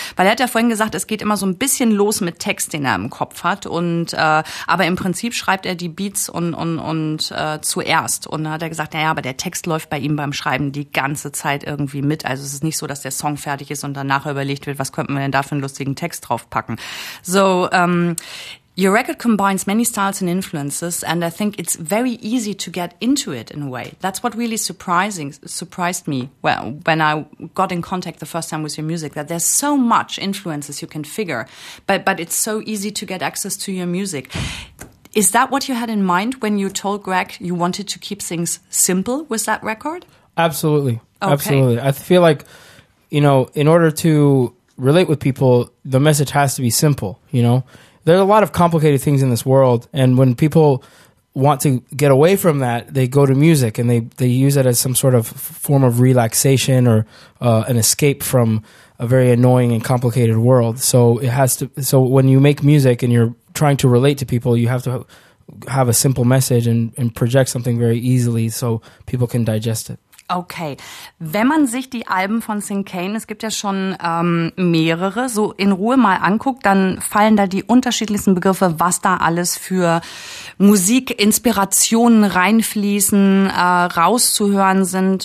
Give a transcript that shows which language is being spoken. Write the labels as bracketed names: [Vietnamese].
[German] Weil er hat ja vorhin gesagt, es geht immer so ein bisschen los mit Text, den er im Kopf hat. Und aber im Prinzip schreibt er die Beats und zuerst. Und da hat er gesagt, naja, aber der Text läuft bei ihm beim Schreiben die ganze Zeit irgendwie mit. Also es ist nicht so, dass der Song fertig ist und danach überlegt wird, was könnten wir denn da für einen lustigen Text draufpacken. [English] So, your record combines many styles and influences, and I think it's very easy to get into it in a way. That's what really surprised me when I got in contact the first time with your music, that there's so much influences you can figure, but it's so easy to get access to your music. Is that what you had in mind when you told Greg you wanted to keep things simple with that record? Absolutely. Okay. Absolutely. I feel like, you know, in order to relate with people, the message has to be simple. You know, there are a lot of complicated things in this world, and when people want to get away from that, they go to music and they use it as some sort of form of relaxation or an escape from a very annoying and complicated world. So when you make music and you're trying to relate to people, you have to have a simple message and project something very easily so people can digest it. [German] Okay, wenn man sich die Alben von Syncane, es gibt ja schon mehrere, so in Ruhe mal anguckt, dann fallen da die unterschiedlichsten Begriffe, was da alles für Musikinspirationen reinfließen, rauszuhören sind.